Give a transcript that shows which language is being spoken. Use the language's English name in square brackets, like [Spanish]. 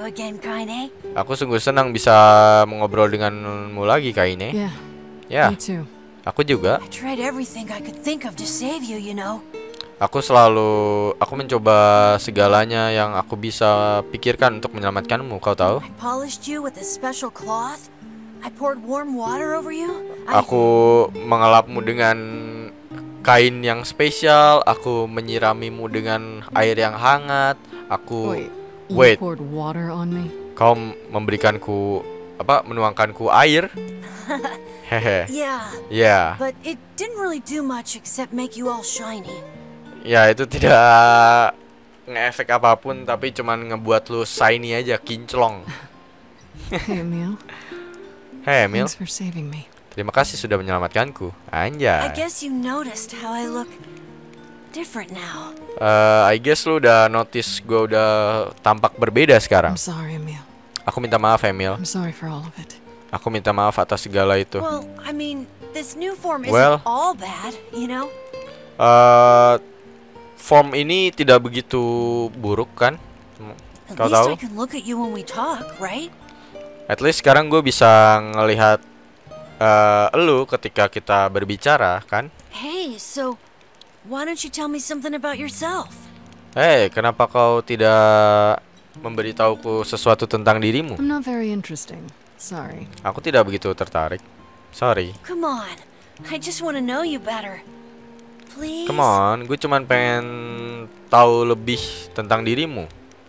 [Indonesian] Aku sungguh senang bisa mengobrol denganmu lagi Kaine. [English] Yeah. [Indonesian] Aku juga. [English] I tried everything I could think of to save you, you know. [Indonesian] Aku mencoba segalanya yang aku bisa pikirkan untuk menyelamatkanmu, kau tahu? [English] I polished you with a special cloth. I poured warm water over you. [Indonesian] Aku mengelapmu dengan kain yang spesial, aku menyiramimu dengan air yang hangat. Aku [English] wait. You poured water on me. [Indonesian] Kau memberikanku apa? Menuangkanku air. [English] Yeah. But it didn't really do much except make you all shiny. [Indonesian] Ya, itu tidak ngefek apapun, tapi cuman ngebuat lu shiny aja, kinclong. [English] Hey, Emil. Thanks for saving me. [Indonesian] Terima kasih sudah menyelamatkanku. Anjay. [English] I guess you noticed how I look different now. I guess [Indonesian] lu udah notice gua udah tampak berbeda sekarang. [English] I'm sorry, Emil. [Indonesian] Aku minta maaf, Emil. [English] I'm sorry for all of it. [Indonesian] Aku minta maaf atas segala itu. [English] Well, I mean, this new form isn't all bad, you know? [Indonesian] Form ini tidak begitu buruk kan? Kau tahu? [English] At least I can look at you when we talk, right? At least [Indonesian] sekarang gue bisa ngelihat lu ketika kita berbicara, kan? [English] Hey, so why don't you tell me something about yourself? [Indonesian] Hey, kenapa kau tidak memberitahuku sesuatu tentang dirimu? [English] I'm not very interesting. Sorry. [Indonesian] Aku tidak begitu tertarik. [English] Sorry. Come on. I just want to know you better. Please. Come on, [Indonesian] gue cuma pengen tahu lebih tentang dirimu.